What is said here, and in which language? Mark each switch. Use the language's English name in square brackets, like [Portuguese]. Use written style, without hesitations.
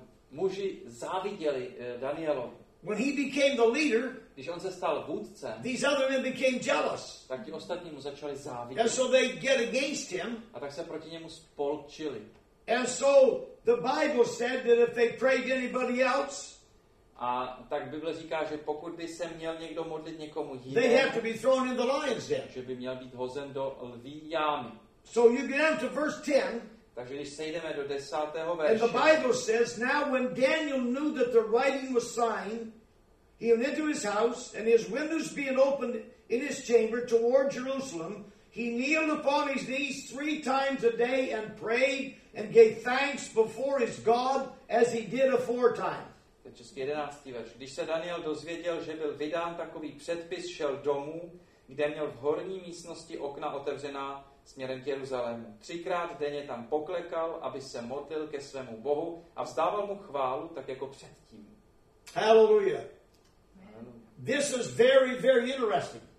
[Czech] Muži záviděli Danielovi. [English] When he became the leader, [Czech] když on se stal vůdcem, [English] these other men became jealous. [Czech] Tak ti ostatní mu začali závidět. [English] And so they get against him. [Czech] A tak se proti němu spolčili. [English] And so the Bible said that if they prayed anybody else, [Czech] a tak Bible říká, že pokud by se měl někdo modlit někomu jiné, [English] they have to be thrown in the lion's den. [Czech] Že by měl být hozen do lví jámy. [English] So you get down to verse 10. [Czech] Takže když sejdeme do 10. verše. [English] And the Bible says, now when Daniel knew that the writing was signed, he went into his house, and his windows being opened in his chamber toward Jerusalem, he kneeled upon his knees three times a day and prayed and gave thanks before his God as he did aforetime. [Czech] Český 11. verš. Když se Daniel dozvěděl, že byl vydán takový předpis, šel domů, kde měl v horní místnosti okna otevřená směrem k Jeruzalému. Třikrát denně tam poklekal, aby se modlil ke svému Bohu a vzdával mu chválu tak jako předtím. [English] Hallelujah. This is very, very interesting.